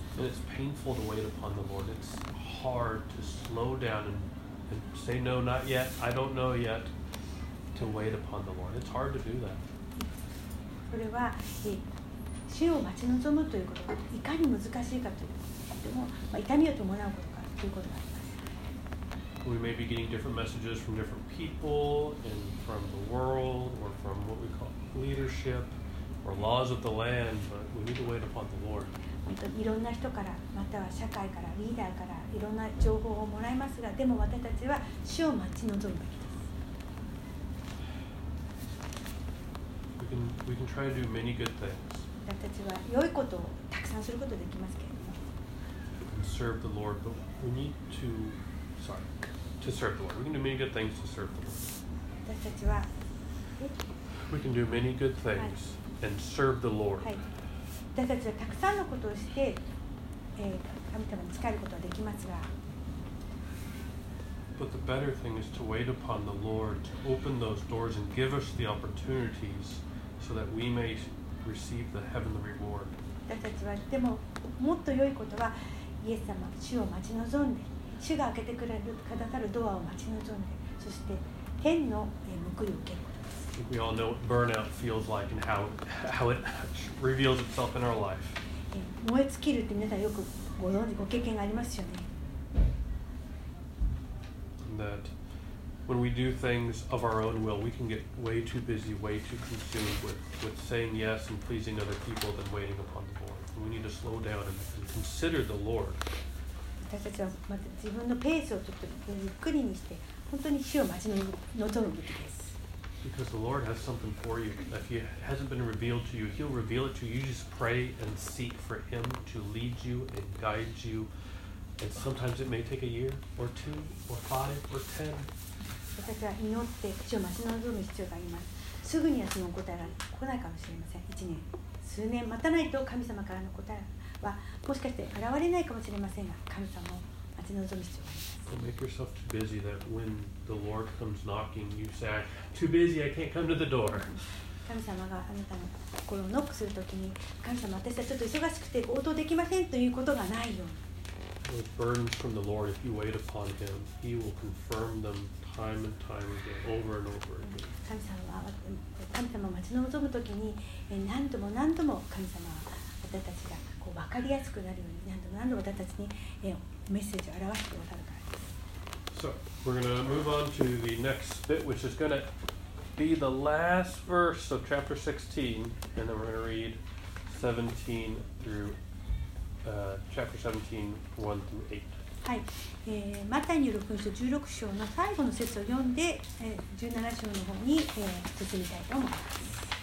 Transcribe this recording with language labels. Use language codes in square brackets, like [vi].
[en] And it's painful to wait upon the Lord. It's hard to slow down and say no, not yet, I don't know yet, to wait upon the Lord. It's hard to do that. [ja] それは、死を待ち望むということがいかに難しいかというでも、まあ、痛みを伴うことかということがあります。 [en] We may be getting different messages from different people and from the world or from what we call leadership or laws of the land, but we need to wait upon the Lord. [ja] いろんな人からまたは社会からリーダーからいろんな情報をもらいますが、でも私たちは死を待ち望むべきです。 [en] We can try to do many good things. [ja] 私たちは良いことをたくさんすることができますけれども。 [en] Serve the Lord, but we need to, sorry, to serve the Lord. We can do many good things to serve the Lord. [ja] 私たちは、 [en] We can do many good things and serve the Lord. [ja] 私たちはたくさんのことをして、神様に仕えることができますが。 [en] But the better thing is to wait upon the Lord to open those doors and give us the opportunities. So that we may receive the heavenly reward. [ja] 私たちはでも、もっと良いことは、イエス様、主を待ち望んで、主が開けてくださるドアを待ち望んで、そして天の報いを受けることです。 [en] We all know what burnout feels like and how it reveals itself in our life. [ja] 燃え尽きるって皆さんよくご存じ、ご経験がありますよね。 [en] That. When we do things of our own will, we can get way too busy, way too consumed with saying yes and pleasing other people than waiting upon the Lord. We need to slow down and consider the Lord. [ja] 私たちはまず自分のペースをちょっとゆっくりにして、本当に主を待ち望むべきです。 [en] Because the Lord has something for you. If it hasn't been revealed to you, He'll reveal it to you. You just pray and seek for Him to lead you and guide you. And sometimes it may take a year, or two, or five, or ten. [ja] 私たちは祈って主を待ち望む必要があります。すぐにはその答えが来ないかもしれません。 1年数年待たないと神様からの答えはもしかして現れないかもしれませんが、神様を待ち望む必要があります。 [en] Make yourself too busy that when the Lord comes knocking you say too busy I can't come to the door. [ja] 神様があなたの心をノックするときに、神様私はちょっと忙しくて応答できませんということがないように。 [en] With burdens from the Lord if you wait upon him he will confirm themTime and time again, over and over again. [ja] 神様は神様を待ち望むときに、何度も何度も神様は私たちがこう分かりやすくなるように、何度も何度も私たちにメッセージを表してくださるからです。 [en] So, we're going to move on to the next bit, which is going to be the last verse of chapter 16, and then we're going to read 17 through chapter 17, 1 through 8. [ja] はい、マタイによる福音書16章の最後の節を読んで、17章の方に、進みたいと思います。